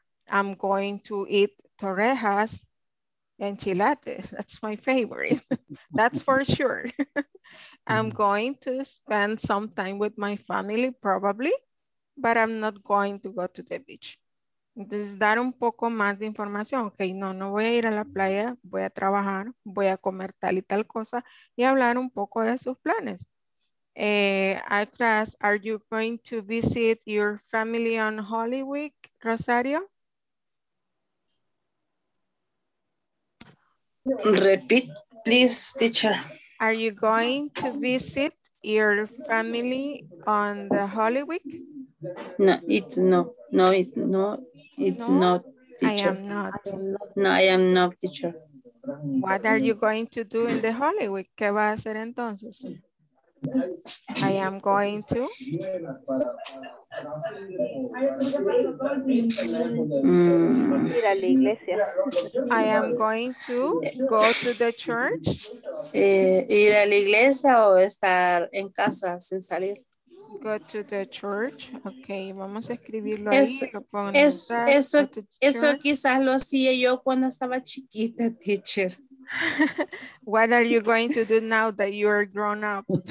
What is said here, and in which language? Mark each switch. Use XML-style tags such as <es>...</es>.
<en>I'm going to eat torrejas and chilates. That's my favorite. That's for sure. I'm going to spend some time with my family, probably, but I'm not going to go to the beach.</en> <es>Entonces, dar un poco más de información. Ok, no voy a ir a la playa, voy a trabajar, voy a comer tal y tal cosa, y hablar un poco de sus planes.</es> <en>I trust, are you going to visit your family on Holy Week, Rosario? Repeat, please, teacher. Are you going to visit your family on the Holy Week? No, it's no. No, it's not. It's no? Not teacher. I am not teacher. What are you going to do in the Holy Week?</en> <es>¿Qué va a hacer entonces?</es> <en>I am going to.</en> <es>Ir a la iglesia.</es> <en>I am going to go to the church.</en> <es>Ir a la iglesia o estar en casa sin salir.</es> <en>Go to the church. Okay,</en> <es>vamos a escribirlo eso quizás lo hacía yo cuando estaba chiquita, teacher.</es> <en>What are you going to do now that you are grown up?</en>